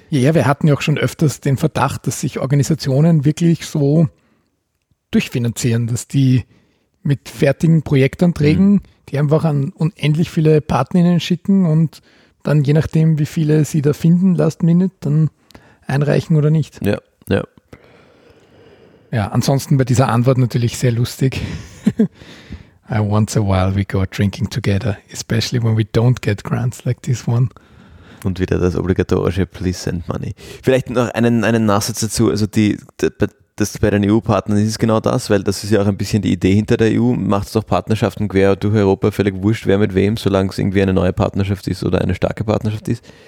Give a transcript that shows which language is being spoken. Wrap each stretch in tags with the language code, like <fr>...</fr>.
<de>Ja, wir hatten ja auch schon öfters den Verdacht, dass sich Organisationen wirklich so durchfinanzieren, dass die mit fertigen Projektanträgen, die einfach an unendlich viele PartnerInnen schicken und dann je nachdem, wie viele sie da finden, last minute, dann einreichen oder nicht. Ja, ja. Ja, ansonsten bei dieser Antwort natürlich sehr lustig.</de> <en>Once a while we go drinking together, especially when we don't get grants like this one.</en> <de>Und wieder das obligatorische</de> <en>Please send money.</en> <de>Vielleicht noch einen Nachsatz dazu, also die das bei den EU-Partnern ist genau das, weil das ist ja auch ein bisschen die Idee hinter der EU, macht es doch Partnerschaften quer durch Europa, völlig wurscht, wer mit wem, solange es irgendwie eine neue Partnerschaft ist oder eine starke Partnerschaft ist.</de>